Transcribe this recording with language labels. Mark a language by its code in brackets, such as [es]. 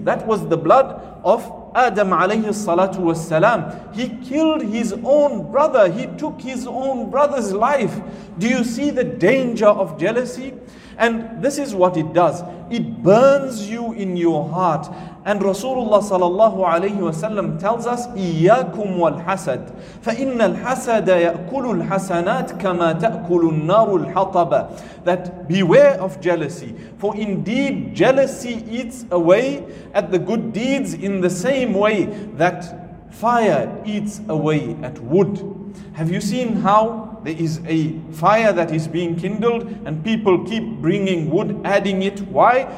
[en] That was the blood of Adam alayhi salatu wassalam. He killed his own brother. He took his own brother's life. Do you see the danger of jealousy? And this is what it does. It burns you in your heart. And Rasulullah sallallahu alayhi wasallam tells us, [ar] إِيَّاكُمْ وَالْحَسَدْ فَإِنَّ الْحَسَدَ يَأْكُلُ الْحَسَنَاتِ كَمَا تَأْكُلُ النَّارُ الْحَطَبَ. [en] That beware of jealousy. For indeed jealousy eats away at the good deeds in the same way that fire eats away at wood. Have you seen how there is a fire that is being kindled and people keep bringing wood, adding it? Why?